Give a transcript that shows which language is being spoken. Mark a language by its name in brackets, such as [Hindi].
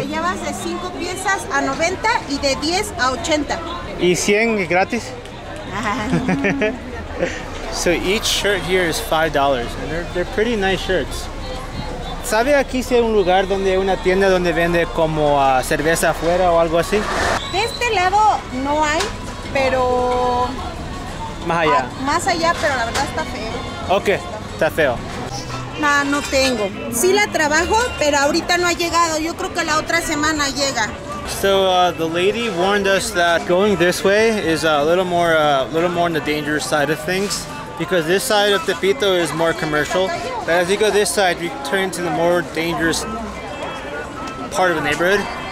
[Spanish] Te llevas de 5 piezas a 90 y de 10 a 80. ¿Y 100 es gratis? [English] So each shirt here is $5 and they're pretty nice shirts. [Spanish] ¿Sabe aquí si hay un lugar donde hay una tienda donde vende como cerveza afuera o algo así? De este lado no hay, pero más allá. Más allá, pero la verdad está feo. Okay, está feo. No tengo. Sí la trabajo, pero ahorita no ha llegado. Yo creo que la otra semana llega. [English] So the lady warned us that going this way is a little more on the dangerous side of things, because this side of Tepito is more commercial. But as you go this side, you turn into the more dangerous part of the neighborhood.